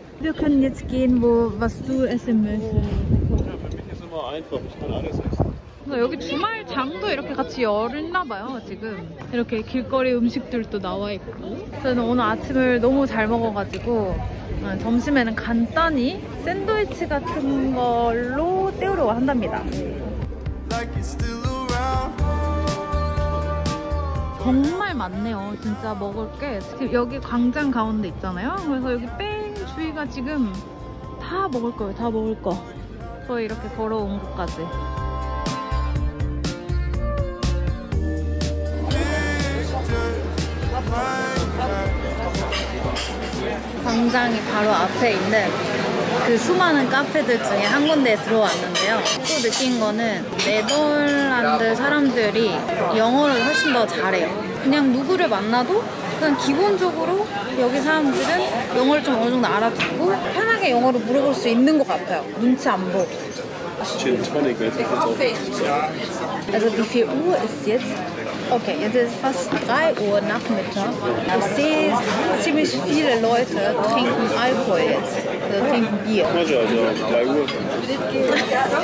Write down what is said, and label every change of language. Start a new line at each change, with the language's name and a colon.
German: Wir können jetzt gehen, wo was du essen möchtest. Ja, für mich ist immer einfach. Ich kann alles essen.
Korean: 여기 주말장도 이렇게 같이 열었나 봐요, 지금. 이렇게 길거리 음식들도 나와 있고. 저는 오늘 아침을 너무 잘 먹어가지고 점심에는 간단히 샌드위치 같은 걸로 때우려고 한답니다. 정말 많네요. 진짜 먹을 게. 지금 여기 광장 가운데 있잖아요. 그래서 여기 뺑 주위가 지금 다 먹을 거예요. 다 먹을 거. 저희 이렇게 걸어온 곳까지. 광장이 바로 앞에 있는 그 수많은 카페들 중에 한 군데에 들어왔는데요. 또 느낀 거는 네덜란드 사람들이 영어를 훨씬 더 잘해요. 그냥 누구를 만나도 그냥 기본적으로 여기 사람들은 영어를 좀 어느 정도 알아듣고 편하게 영어로 물어볼 수 있는 것 같아요. 눈치 안 보고.
German: Also wie viel Uhr ist jetzt? Okay, jetzt ist fast 3 Uhr Nachmittag. Ich sehe ziemlich viele Leute trinken Alkohol jetzt. Also trinken Bier. Also 3 Uhr.